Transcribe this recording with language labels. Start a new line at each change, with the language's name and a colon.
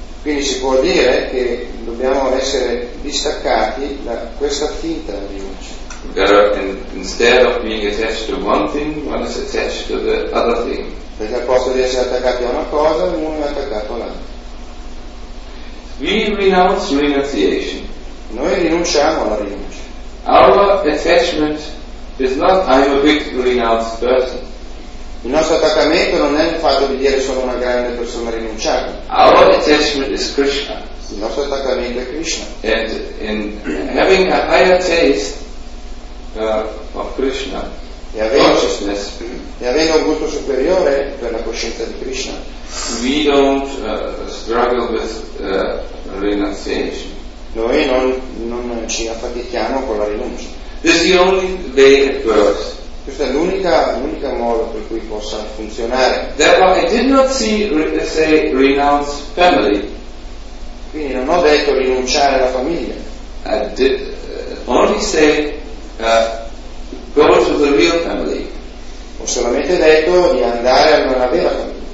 Italian: Quindi si può dire che dobbiamo essere distaccati da questa finta rinuncia.
English: Instead of being attached to one thing, one is attached to the other thing.
Italian: Perché al posto di essere attaccati a una cosa, uno è attaccato all'altra.
English: We renounce renunciation.
Italian: Noi rinunciamo alla rinuncia.
English: Our attachment is not I'm a big renounced person.
Italian: Il nostro attaccamento non è il fatto di dire sono una grande persona rinunciata.
English: Our attachment is Krishna.
Italian: Il nostro attaccamento è Krishna.
English: And in having a higher taste of Krishna,
Italian: e avendo un gusto superiore per la coscienza di Krishna,
English: we don't struggle with renunciation.
Italian: Noi non ci affatichiamo con la rinuncia.
English: This is the only way it works.
Italian: Questa è l'unica modo per cui possa funzionare.
English: Therefore, I did not see, say, renounce family.
Italian: Quindi non ho detto rinunciare alla famiglia.
English: I did only say go to the real family.
Italian: Ho solamente detto di andare alla vera famiglia.